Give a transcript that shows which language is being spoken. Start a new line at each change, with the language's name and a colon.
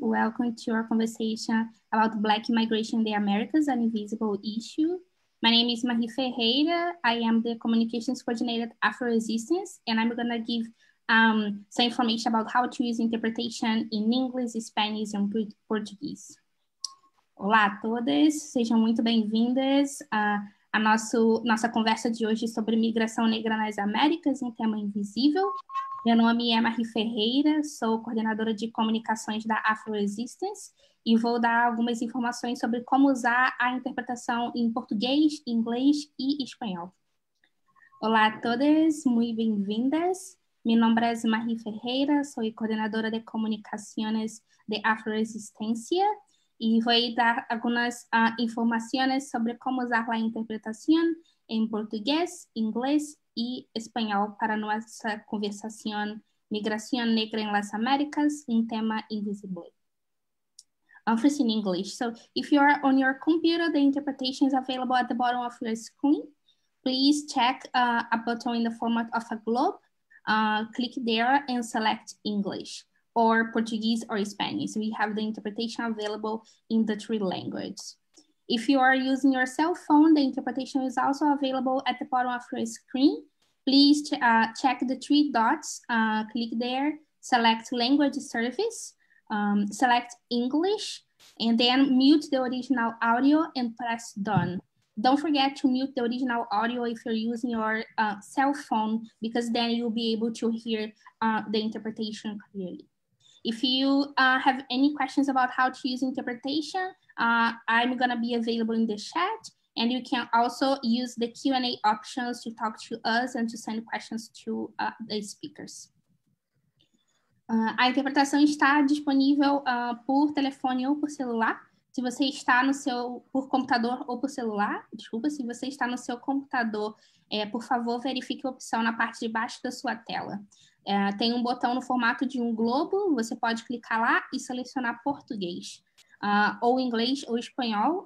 English: Welcome to our conversation about Black migration in the Americas, an invisible issue. My name is Marie Ferreira. I am the communications coordinator at AfroResistance, and I'm going to give some information about how to use interpretation in English, Spanish, and Portuguese.
Portuguese: Olá a todas. Sejam muito bem-vindas. A nossa conversa de hoje sobre migração negra nas Américas, um tema invisível. Meu nome é Marie Ferreira, sou coordenadora de comunicações da AfroResistance e vou dar algumas informações sobre como usar a interpretação em português, inglês e espanhol. Olá
Spanish: a todos, muy bienvenidas. Mi nombre es Marie Ferreira, soy coordinadora de comunicaciones de AfroResistencia y voy a dar algunas informaciones sobre cómo usar la interpretación en portugués, inglés y español para nuestra conversación Migración Negra en las Américas, un tema invisible.
English: First in English. So if you are on your computer, the interpretation is available at the bottom of your screen. Please check a button in the format of a globe. Click there and select English or Portuguese or Spanish. We have the interpretation available in the three languages. If you are using your cell phone, the interpretation is also available at the bottom of your screen. Please check the three dots, click there, select language service, select English, and then mute the original audio and press done. Don't forget to mute the original audio if you're using your cell phone, because then you'll be able to hear the interpretation clearly. If you have any questions about how to use interpretation, I'm gonna be available in the chat, and you can also use the Q&A options to talk to us and to send questions to the speakers.
Portuguese: A interpretação está disponível por telefone ou por celular. Se você está no seu, por computador ou por celular, desculpa, se você está no seu computador, por favor, verifique a opção na parte de baixo da sua tela. Tem um botão no formato de um globo, você pode clicar lá e selecionar português, ou inglês ou espanhol.